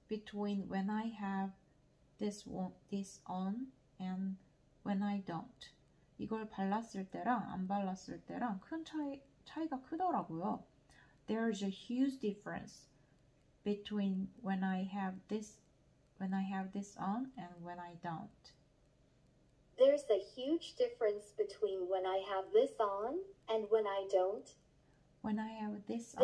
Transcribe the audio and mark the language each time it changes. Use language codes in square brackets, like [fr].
[en] Between when I have this on and when I don't. [ko] 이걸 발랐을 때랑 안 발랐을 때랑 큰 차이가 크더라고요. [en] There's a huge difference between when I have this on and when I don't. There's a huge difference between when I have this on and when I don't. When I have this on.